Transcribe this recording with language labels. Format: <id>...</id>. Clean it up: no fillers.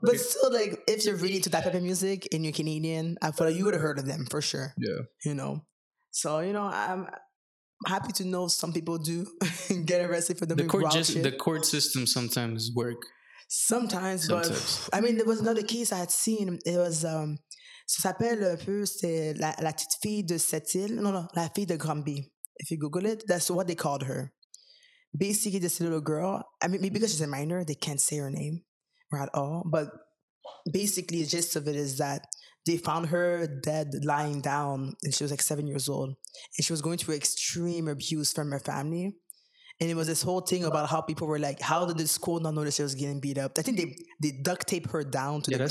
<en>But okay, still, like, if you're really into that type of music and you're Canadian, I feel like you would have heard of them for sure. Yeah. You know? So, you know, I'm happy to know some people do get arrested for the court system sometimes work. Sometimes. But I mean, there was another case I had seen. It was,</en> <fr>ça s'appelle un peu, c'est la petite fille de cette île.</fr> <en>No,</en> <fr>la fille de Granby.</fr> <en>If you Google it, that's what they called her. Basically, this little girl, I mean, because she's a minor, they can't say her name at all. But basically, the gist of it is that they found her dead, lying down, and she was like 7 years old. And she was going through extreme abuse from her family. And it was this whole thing about how people were like, how did the school not notice she was getting beat up? I think they duct taped her down to the ground.</en>